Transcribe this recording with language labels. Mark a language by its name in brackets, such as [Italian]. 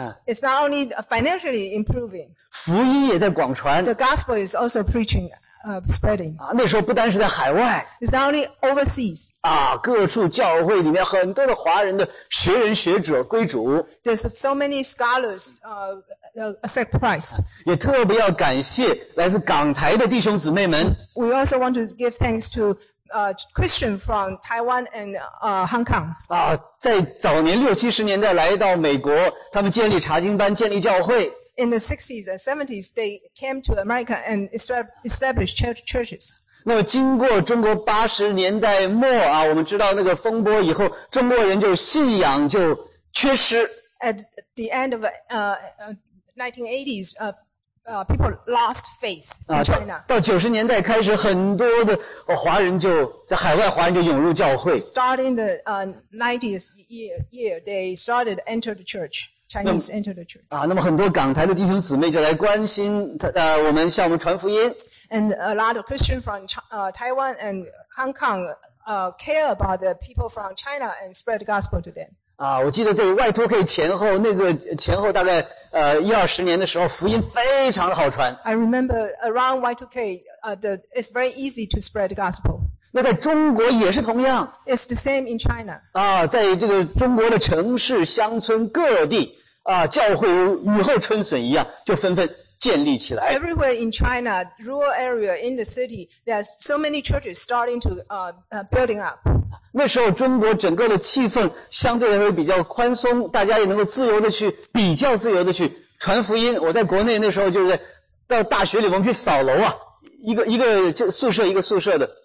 [English] It's not only financially improving. [Chinese] 福音也在广传。 [English] The gospel is also preaching, spreading. [Chinese] 啊，那时候不单是在海外。 [English] It's not only overseas. [Chinese] 啊，各处教会里面很多的华人的学人学者归主。 [English] There's so many scholars, accept Christ. [Chinese] 也特别要感谢来自港台的弟兄姊妹们。 [English] We also want to give thanks to Christian from Taiwan and Hong Kong. [Chinese] 啊，在早年六七十年代来到美国，他们建立查经班，建立教会。 [English] In the 60s and 70s, they came to America and established churches. [Chinese] 那么经过中国八十年代末啊，我们知道那个风波以后，中国人就信仰就缺失。 [English] At the end of 1980s, people lost faith in China. [Chinese] 到九十年代开始，很多的华人就在海外，华人就涌入教会。 [English] Starting the 90s year, they started entered the church. Chinese entered the church. [Chinese] 啊，那么很多港台的弟兄姊妹就来关心他，我们向我们传福音。 [English] And a lot of Christians from Taiwan and Hong Kong, care about the people from China and spread the gospel to them. [Chinese] 啊，我记得在Y2K前后，那个前后大概一二十年的时候，福音非常的好传。 [English] I remember around Y2K, it's very easy to spread the gospel. [Chinese] 那在中国也是同样。 [English] It's the same in China. [Chinese] 啊，在这个中国的城市、乡村各地，啊，教会如雨后春笋一样，就纷纷建立起来。 [English] Everywhere in China, rural area in the city, there's so many churches starting to building up. [Chinese] 那时候中国整个的气氛相对来说比较宽松，大家也能够自由的去比较自由的去传福音。我在国内那时候就是到大学里，我们去扫楼啊，一个宿舍一个宿舍的。